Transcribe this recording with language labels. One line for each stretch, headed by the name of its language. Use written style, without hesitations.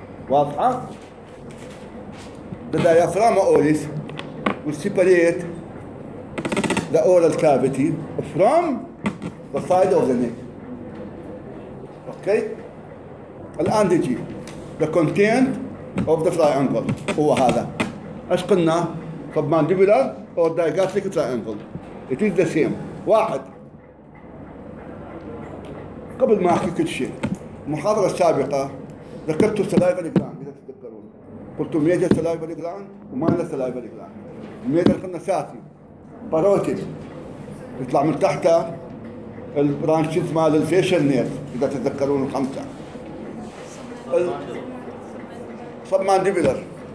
Arabic: واضحة؟
English: the diaphragma oris will separate the oral cavity from the side of the neck.
Arabic: أوكي؟ الآن تجي
English: the content of the triangle
Arabic: هو هذا. ايش قلنا؟
English: submandibular or digastric triangle. It is the same.
Arabic: واحد، قبل ما احكي كل شيء، المحاضرة السابقة ذكرت السلايفري جلاند، اذا تتذكرون قلت ميجر سلايفري جلاند وماينر سلايفري جلاند. ميجر قلنا ساسي باروتيد يطلع من تحته البرانشز مال الفيشل نيرف، اذا تتذكرون الخمسة submandibular.